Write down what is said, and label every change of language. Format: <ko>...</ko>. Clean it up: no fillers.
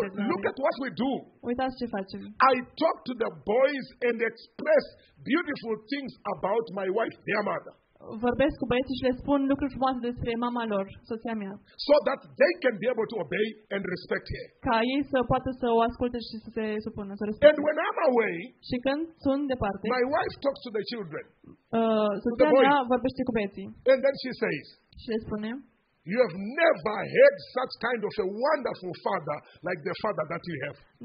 <en>le-ai. Now, look at what we do.</en> <ro>Uitați ce facem.</ro> <en>I talk to the boys and express beautiful things about my wife, their mother.</en> <ro>Vorbesc cu băieții și le spun lucruri frumoase despre mama lor, soția mea.</ro> <en>So that they can be able to obey and respect her.</en> <ro>Ca ei să poată să o asculte și să se supună, să</ro> <en>respecte. And when I'm away,</en> <ro>și când sunt departe,</ro> <en>my wife talks to the children.</en> <ro>Soția mea vorbește cu băieții.</ro> <en>And then she says,</en> <ro>și le spune,</ro> <en>you have never had such kind of a wonderful father like the father that you have.</en>